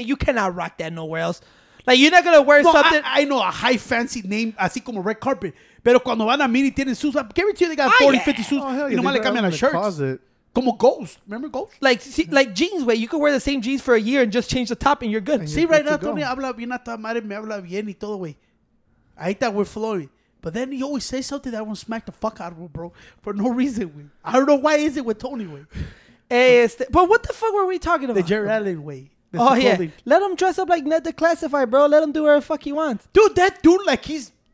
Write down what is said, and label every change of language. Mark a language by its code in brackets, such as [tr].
[en] You cannot rock that nowhere else. Like, you're not gonna wear something. I know a high fancy name, [es] así como [en] red carpet. [es] Pero cuando van a mini tienen [en] suits. I guarantee you they got 40, 50 suits. Oh, yeah. [es] Y nomás le cambian las [en] shirts. Closet. [es] Como [en] Ghost. Remember Ghost? Like, see, like jeans, way. You could wear the same jeans for a year and just change the top and you're good. And see, you're right now, [es] Tony, habla bien a tu madre, me habla bien y todo, way. Ahí está, [en] we're flowing. But then he always says something that I won't smack the fuck out of him, bro. For no reason, way. I don't know why is it with Tony, way. But what the fuck were we talking about? The Jerry Allen way. Oh, yeah. Let him dress up like Ned the Classified, bro. Let him do whatever the fuck he wants. Dude, that dude, like, he's...